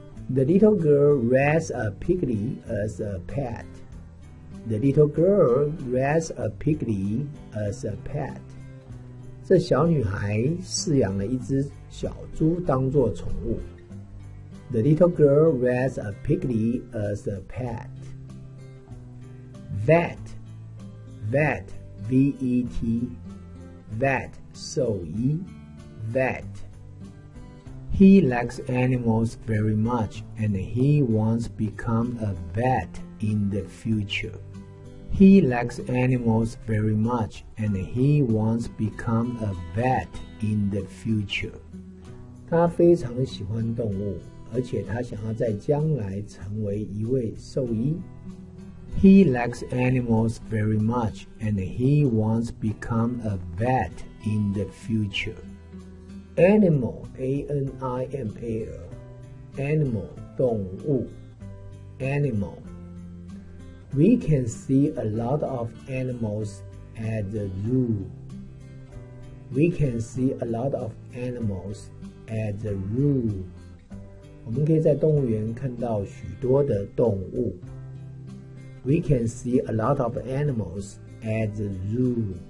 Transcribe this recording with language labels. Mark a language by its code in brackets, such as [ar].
[en] The little girl raised a piggy as a pet. The little girl raised a piggy as a pet. [zh] 这小女孩饲养了一只小猪当作宠物。 [en] The little girl raised a piggy as a pet. Vet, vet, V-E-T, vet, [zh] 兽医 [en] vet. He likes animals very much, and he wants to become a vet in the future. He likes animals very much, and he wants to become a vet in the future. [zh] 他非常喜欢动物，而且他想要在将来成为一位兽医。 [en] He likes animals very much, and he wants to become a vet in the future. Animal, A-N-I-M-A-L, animal, [zh] 动物 [en] animal. We can see a lot of animals at the zoo. We can see a lot of animals at the zoo. [zh] 我们可以在动物园看到许多的动物。 [en] We can see a lot of animals at the zoo.